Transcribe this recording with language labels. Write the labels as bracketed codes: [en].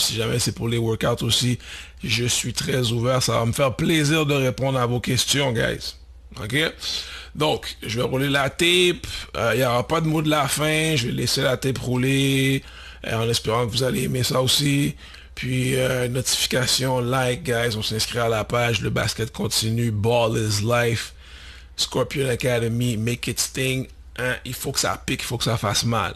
[fr] Si jamais c'est pour les workouts aussi, je suis très ouvert. Ça va me faire plaisir de répondre à vos questions, guys. OK? Donc, je vais rouler la tape. Il n'y aura pas de mot de la fin. Je vais laisser la tape rouler en espérant que vous allez aimer ça aussi. Puis, notification, like, guys. On s'inscrit à la page. Le basket continue. [en] Ball is life. Scorpion Academy, make it sting. [fr] Hein, il faut que ça pique, il faut que ça fasse mal.